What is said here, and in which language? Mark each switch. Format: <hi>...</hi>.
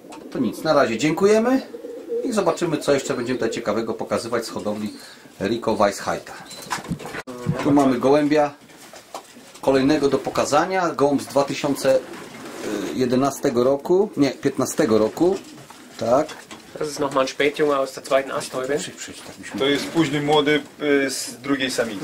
<pl>To nic, na razie dziękujemy i zobaczymy, co jeszcze będziemy tutaj ciekawego pokazywać z hodowli Rico Weisheita. Tu mamy gołębia kolejnego do pokazania, gołąb z 2011 roku, nie, 15 roku. Tak.</pl> <de>Das ist nochmal ein Spätjunge aus der zweiten Astäube.</de> <pl>To jest późny młody z drugiej samicy.</pl>